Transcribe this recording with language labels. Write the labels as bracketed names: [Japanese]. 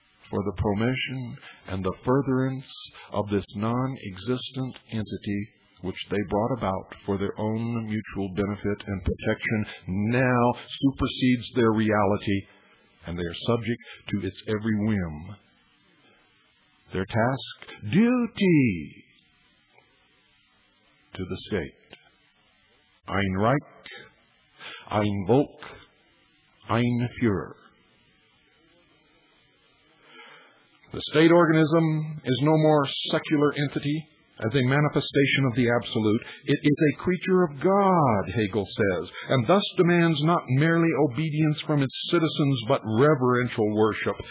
[English] For the promotion and the furtherance of this non-existent entity, which they brought about for their own mutual benefit and protection, now supersedes their reality, and they are subject to its every whim. Their task, duty to the state. [German] Ein Reich, Ein Volk, Ein Führer. [English] The state organism is no more secular entity as a manifestation of the absolute. It is a creature of God, Hegel says, and thus demands not merely obedience from its citizens, but reverential worship.